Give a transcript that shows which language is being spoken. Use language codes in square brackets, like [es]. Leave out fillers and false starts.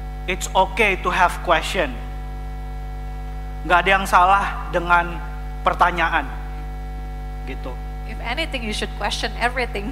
[en] It's okay to have question. [id] Gak ada yang salah dengan pertanyaan. Gitu. [en] If anything, you should question everything.